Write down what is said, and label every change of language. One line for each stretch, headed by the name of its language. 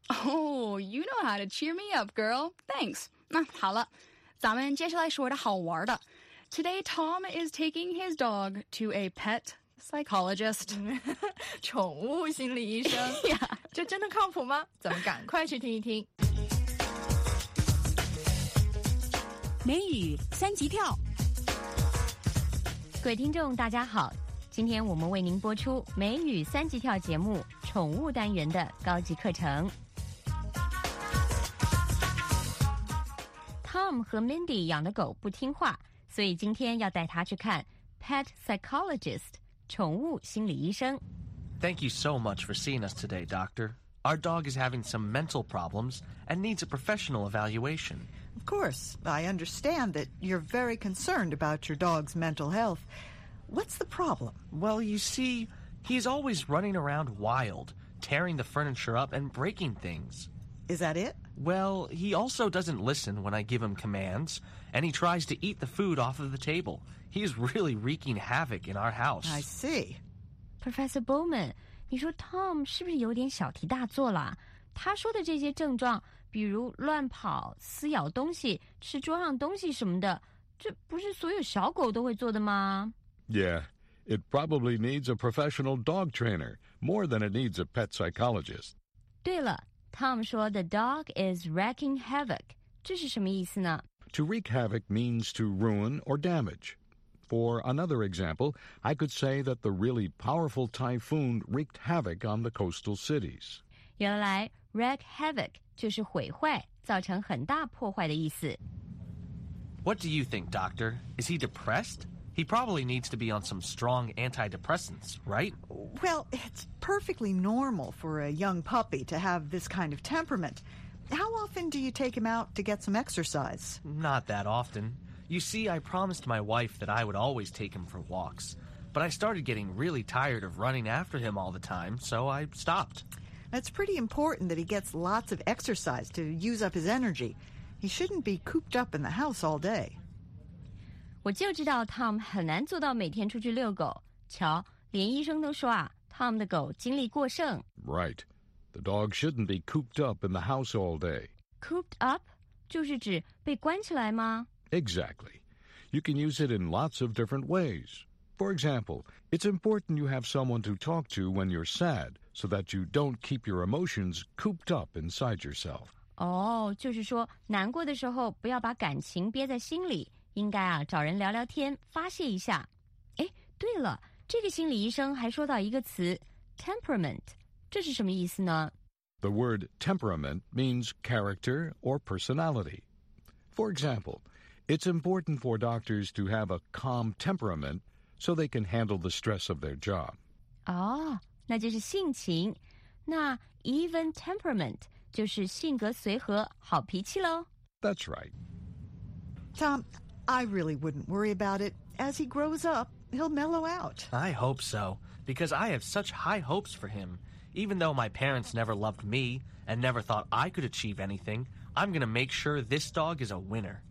English: Oh, you know how to cheer me up, girl. Thanks.
Chinese: 那好了，咱们接下来说的好玩的。
English: Today, Tom is taking his dog to a pet psychologist.
Chinese: 宠物心理医生。
English: Yeah.
Chinese: 这真的靠谱吗？咱们赶快去听一听。美语三级跳。各位听众大家好，今天我们为您播出美语三级跳节目宠物单元的高级课程。 Tom 和 Mindy 养的狗不听话，所以今天要带他去看 Pet Psychologist 宠物心理医生。
English: Thank you so much for seeing us today, Doctor. Our dog is having some mental problems and needs a professional evaluation. Of course, I understand that you're very concerned about your dog's mental health. What's the problem? Well, you see, he's always running around wild, tearing the furniture up and breaking things. Is that it? Well, he also doesn't listen when I give him commands, and he tries to eat the food off of the table. He is really wreaking havoc in our house. I see.
Chinese: Professor Bowman, 你说 Tom 是不是有点小题大做了？他说的这些症状比如乱跑、撕咬东西、吃桌上东西什么的，这不是所有小狗都会做的吗？
English: Yeah, it probably needs a professional dog trainer more than it needs a pet psychologist.
Chinese: 对了， Tom 说
English: the dog is wreaking havoc,
Chinese: 这是什么意思呢？
English: To wreak havoc means to ruin or damage. For another example, I could say that the really powerful typhoon wreaked havoc on the coastal cities.
Chinese: 原来 wreak havoc就是毁坏，造成很大破坏的意思。
English: What do you think, Doctor? Is he depressed? He probably needs to be on some strong antidepressants, right? Well, it's perfectly normal for a young puppy to have this kind of temperament. How often do you take him out to get some exercise? Not that often. You see, I promised my wife that I would always take him for walks. But I started getting really tired of running after him all the time, so I stopped. It's pretty important that he gets lots of exercise to use up his energy. He shouldn't be cooped up in the house all day.
Chinese: 我就知道 Tom 很难做到每天出去遛狗。瞧，连医生都说啊， Tom 的狗精力过剩。
English: Right. The dog shouldn't be cooped up in the house all day.
Chinese: Cooped up? 就是指被关起来吗？
English: Exactly. You can use it in lots of different ways. For example, it's important you have someone to talk to when you're sad so that you don't keep your emotions cooped up inside yourself.
Chinese: Oh, 就是说难过的时候不要把感情憋在心里，应该啊找人聊聊天发泄一下。哎，对了，这个心理医生还说到一个词 temperament, 这是什么意思呢？
English: The word temperament means character or personality. For example, it's important for doctors to have a calm temperamentso they can handle the stress of their job.
Chinese: Oh, 那就是性情。那 even temperament 就是性格随和好脾气咯。
English: That's right. Tom, I really wouldn't worry about it. As he grows up, he'll mellow out. I hope so, because I have such high hopes for him. Even though my parents never loved me and never thought I could achieve anything, I'm going to make sure this dog is a winner.